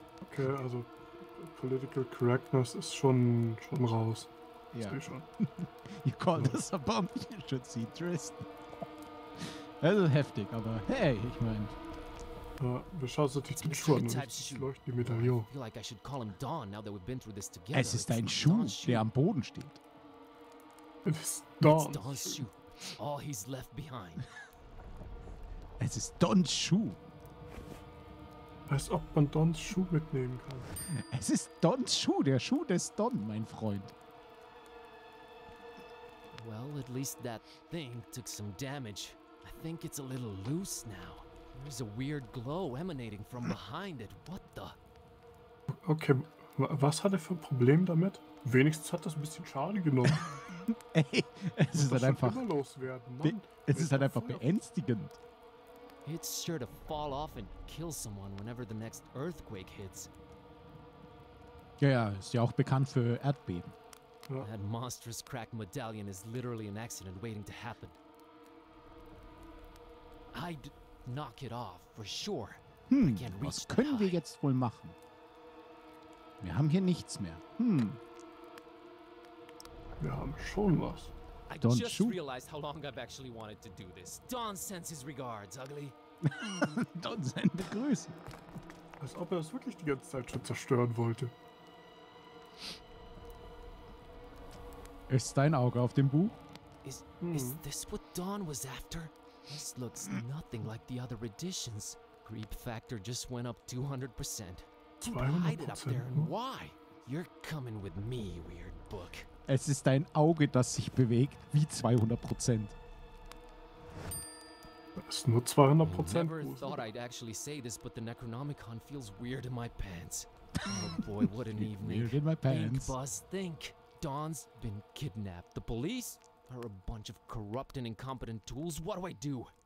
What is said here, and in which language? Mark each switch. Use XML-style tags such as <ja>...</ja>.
<de>Okay, also political correctness ist schon raus. Ja. Ich schon.</de> <en>You call this a bomb? You should see Tristan.</en> <de>Das ist heftig, aber hey, ich meine. Ja, wir schauen uns natürlich den Schuh an. Leuchtet die Medaillon.</de> <en>I feel like I should call him Don now that we've been through this together.</en> <de>Es ist ein Schuh, der am Boden steht.</de> <en>It is Don. It's Don's shoe. All he's left behind.</en> <de>Es ist Don's Schuh. Als ob man Don's Schuh mitnehmen kann. Es ist Don's Schuh, der Schuh des Don, mein Freund.</de> <en>Well, at least that thing took some damage. I think it's a little loose now. There's a weird glow emanating from behind it. What the?</en> <de>Okay, was hat er für ein Problem damit? Wenigstens hat das ein bisschen Schade genommen. Ey, es ist halt einfach. Es ist halt einfach beängstigend.</de> <en>It's sure to fall off and kill someone whenever the next earthquake hits.</en> <de>Ja, ja, ist ja auch bekannt für Erdbeben. Ja.</de> <en>That monstrous cracked medallion is literally an accident waiting to happen. I'd knock it off for sure.</en> <de>Was können wir jetzt wohl machen? Wir haben hier nichts mehr. Wir haben schon was.</de> <en>I Don't just shoot. Realized how long I've actually wanted to do this. Don sends his regards, ugly.</en> <de>Don sende Grüße. Als ob er das wirklich die ganze Zeit schon zerstören wollte. Ist dein Auge auf dem Buch?</de> <en>Is this what Don was after? This looks nothing like the other editions. Creep factor just went up 200%. 200%? Hide it up there and why? You're coming with me, weird book.</en> <de>Es ist dein Auge, das sich bewegt, wie 200%. Es ist nur 200%.</de> <en>I never thought I'd actually say this, but the Necronomicon feels weird in my pants. Oh boy, what an evening. Weird in my pants. Think, Buzz, think. Don's been kidnapped. The police are a bunch of corrupt and incompetent tools. What do I do?</en>